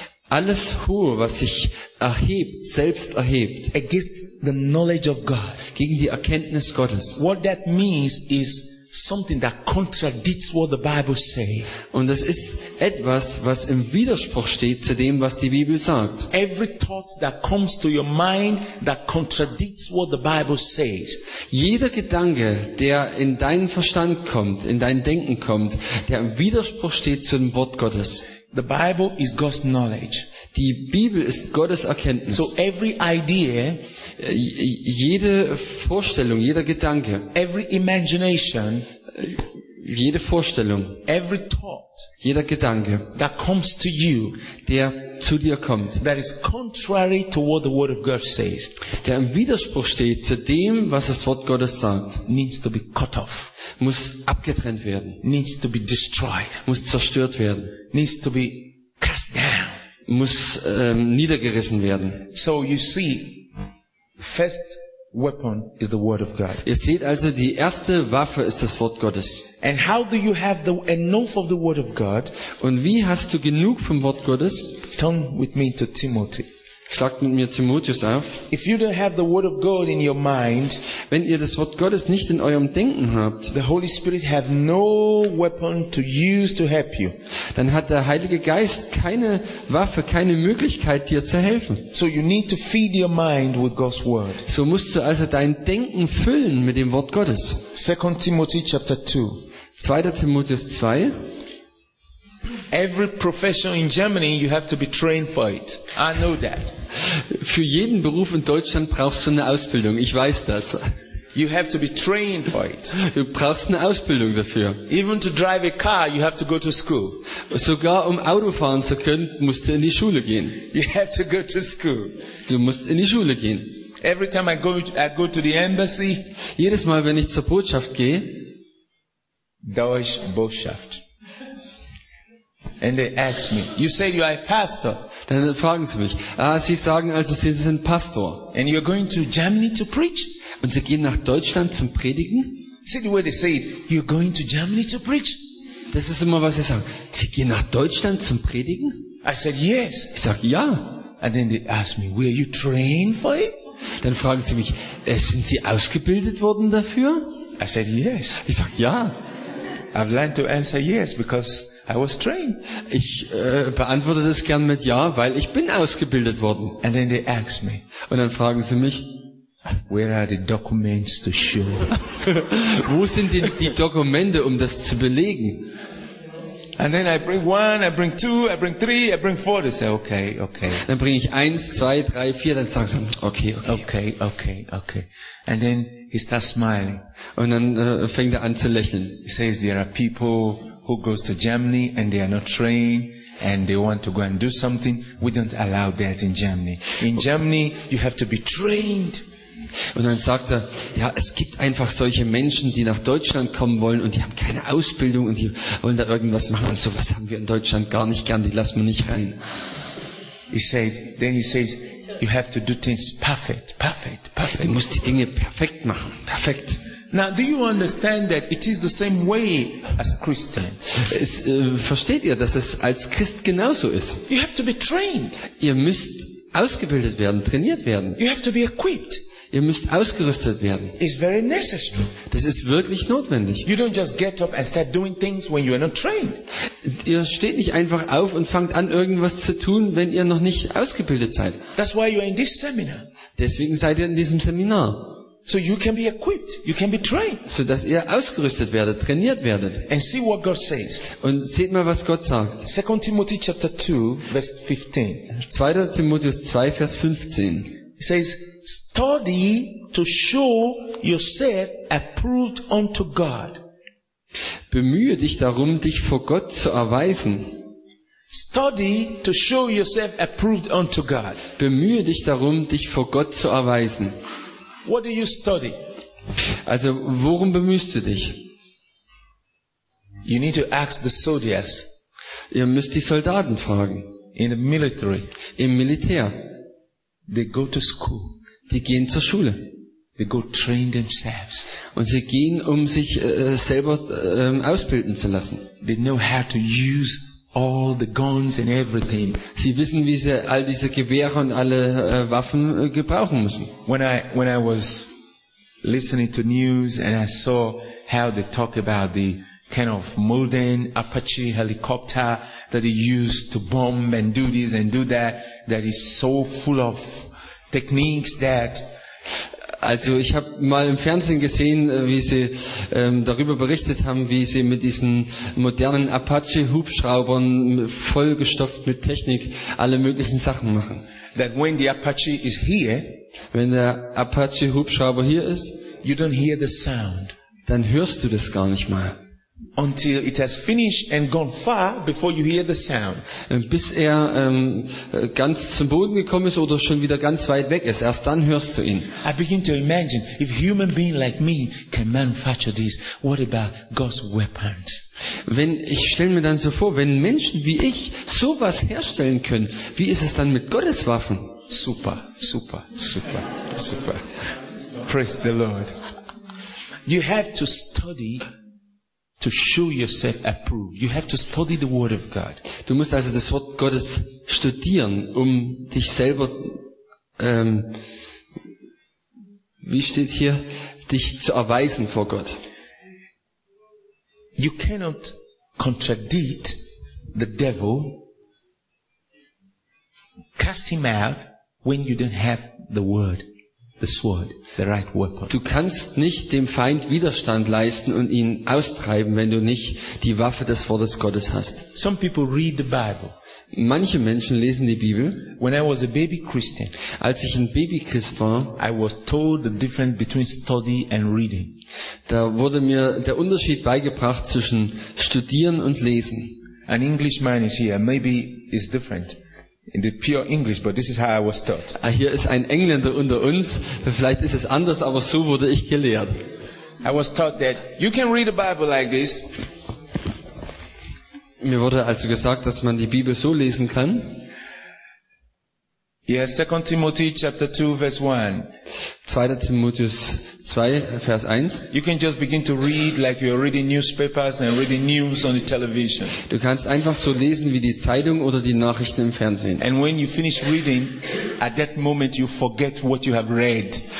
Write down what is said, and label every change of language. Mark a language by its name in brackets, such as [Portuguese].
[German] Alles Hohe, was sich erhebt, selbst erhebt. [English] Against the knowledge of God. [German] Gegen die Erkenntnis Gottes. [English] What that means is something that contradicts what the Bible says. [German] Und es ist etwas, was im Widerspruch steht zu dem, was die Bibel sagt. [English] Every thought that comes to your mind that contradicts what the Bible says. [German] Jeder Gedanke, der in deinen Verstand kommt, in dein Denken kommt, der im Widerspruch steht zu dem Wort Gottes. [English] The Bible is God's knowledge. [German] Die Bibel ist Gottes Erkenntnis. [English] So every idea, [German] jede Vorstellung, jeder Gedanke, [English] every imagination, [German] jede Vorstellung, [English] every thought, [German] jeder Gedanke, [English] that comes to you, [German] der zu dir kommt, [English] that is contrary to what the word of God says, [German] der im Widerspruch steht zu dem, was das Wort Gottes sagt, [English] needs to be cut off, [German] muss abgetrennt werden, [English] needs to be destroyed, [German] muss zerstört werden, [English] needs to be cast down, [German] muss niedergerissen werden. [English] So you see, first weapon is the word of God. [German] Ihr seht also, die erste Waffe ist das Wort Gottes. [English] And how do you have the enough of the word of God? [German] Und wie hast du genug vom Wort Gottes? [English] Turn with me to Timothy. [German] Schlagt mit mir Timotheus auf. [English] If you don't have the word of God in your mind, [German] wenn ihr das Wort Gottes nicht in eurem Denken habt, [English] the Holy Spirit have no weapon to use to help you. [German] Dann hat der Heilige Geist keine Waffe, keine Möglichkeit, dir zu helfen. [English] So you need to feed your mind with God's word. [German] So musst du also dein Denken füllen mit dem Wort Gottes. [English] 2 Timothy chapter 2. [German] 2. Timotheus 2. [English] Every profession in Germany, you have to be trained for it. I know that. [German] Für jeden Beruf in Deutschland brauchst du eine Ausbildung. Ich weiß das. [English] You have to be trained for it. [German] Du brauchst eine Ausbildung dafür. [English] Even to drive a car, you have to go to school. [German] Sogar um Auto fahren zu können, musst du in die Schule gehen. [English] You have to go to school. [German] Du musst in die Schule gehen. [English] Every time I go to the embassy. [German] Jedes Mal, wenn ich zur Botschaft gehe. Deutsche Botschaft. [English] And they ask me, you say you are a pastor. [German] Dann fragen sie mich, sie sagen also, sie sind Pastor. [English] And you're going to Germany to preach? [German] Und sie gehen nach Deutschland zum Predigen? [English] See the way they say it, you're going to Germany to preach? [German] Das ist immer, was sie sagen. Sie gehen nach Deutschland zum Predigen? [English] I said, yes. [German] Ich sage, ja. [English] And then they ask me, were you trained for it? [German] Dann fragen sie mich, sind sie ausgebildet worden dafür? [English] I said, yes. [German] Ich sage, ja. [English] I've learned to answer yes, because I was trained. [German] Ich beantworte das gern mit ja, weil ich bin ausgebildet worden. [English] And then they ask me. [German] Und dann fragen sie mich, [English] where are the documents to show? [German] Wo sind denn die Dokumente, um das zu belegen? [English] And then I bring one, I bring two, I bring three, I bring four. They say, okay, okay. [German] Dann bringe ich eins, zwei, drei, vier. Dann sagen sie, okay, okay, okay, okay, okay. [English] And then he starts smiling. [German] Und dann fängt er an zu lächeln. [English] He says, there are people who goes to Germany and they are not trained and they want to go and do something. We don't allow that in Germany. In Germany, you have to be trained. [German] Und dann sagt er, ja, es gibt einfach solche Menschen, die nach Deutschland kommen wollen und die haben keine Ausbildung und die wollen da irgendwas machen und sowas haben wir in Deutschland gar nicht gern, die lassen wir nicht rein. [English] He said, then he says, you have to do things perfect, perfect, perfect. [German] Du musst die Dinge perfekt machen, perfekt. [English] Now, do you understand that it is the same way as Christians? [German] Versteht ihr, dass es als Christ genauso ist? [English] You have to be trained. [German] Ihr müsst ausgebildet werden, trainiert werden. [English] You have to be equipped. [German] Ihr müsst ausgerüstet werden. [English] It's very necessary. [German] Das ist wirklich notwendig. [English] You don't just get up and start doing things when you are not trained. [German] Ihr steht nicht einfach auf und fangt an, irgendwas zu tun, wenn ihr noch nicht ausgebildet seid. [English] That's why you are in this seminar. [German] Deswegen seid ihr in diesem Seminar. [English] So you can be equipped, you can be trained. [German] So dass ihr ausgerüstet werdet, trainiert werdet. [English] And see what God says. [German] Und seht mal, was Gott sagt. [English] 2 Timotheus chapter 2, verse 15. [German] 2. Timotheus 2, Vers 15. [English] It says, study to show yourself approved unto God. [German] Bemühe dich darum, dich vor Gott zu erweisen. [English] Study to show yourself approved unto God. [German] Bemühe dich darum, dich vor Gott zu erweisen. [English] What do you study? [German] Also, worum bemühst du dich? [English] You need to ask the soldiers. [German] Ihr müsst die Soldaten fragen. [English] In the military. [German] Im Militär. [English] They go to school. [German] Die gehen zur Schule. [English] They go train themselves. [German] Und sie gehen, um sich selber ausbilden zu lassen. [English] They know how to use all the guns and everything. [German] Sie wissen, wie sie all diese Gewehre und alle Waffen gebrauchen müssen. [English] When I was listening to news and I saw how they talk about the kind of modern Apache helicopter that they use to bomb and do this and do that, that is so full of techniques that. [German] Also ich habe mal im Fernsehen gesehen, wie sie darüber berichtet haben, wie sie mit diesen modernen Apache-Hubschraubern vollgestopft mit Technik alle möglichen Sachen machen. [English] That when the Apache is here, [German] wenn der Apache-Hubschrauber hier ist, [English] you don't hear the sound. [German] Dann hörst du das gar nicht mal. [English] Until it has finished and gone far before you hear the sound. [German] Bis er ganz zum Boden gekommen ist oder schon wieder ganz weit weg ist, erst dann hörst du ihn. [English] I begin to imagine if human being like me can manufacture this, what about God's weapons? [German] Wenn ich stelle mir dann so vor, wenn Menschen wie ich sowas herstellen können, wie ist es dann mit Gottes Waffen? [English] Super, super, super, super. Praise the Lord. You have to study to show yourself approved. You have to study the word of God. [German] Du musst also das Wort Gottes studieren, um dich selber wie steht hier, dich zu erweisen vor Gott. [English] You cannot contradict the devil, cast him out when you don't have the word, the sword, the right weapon. [German] Du kannst nicht dem Feind Widerstand leisten und ihn austreiben, wenn du nicht die Waffe des Wortes Gottes hast. [English] Some people read the Bible. [German] Manche Menschen lesen die Bibel. [English] When I was a baby Christian, [German] als ich ein Babychrist war, [English] I was told the difference between study and reading. [German] Da wurde mir der Unterschied beigebracht zwischen Studieren und Lesen. [English] An Englishman is here. Maybe it's different in the pure English, but this is how I was taught. [German] Hier ist ein Engländer unter uns. Vielleicht ist es anders, aber so wurde ich gelehrt. [English] I was taught that you can read the Bible like this. [German] Mir wurde also gesagt, dass man die Bibel so lesen kann. [English] Yes, 2 Timothy chapter 2 verse 1. [German] 2. Timotheus 2 Vers 1. [English] You can just begin to read like you're reading newspapers and reading news on the television. [German] Du kannst einfach so lesen wie die Zeitung oder die Nachrichten im Fernsehen. [English] And when you finish reading, at that moment you forget what you have read.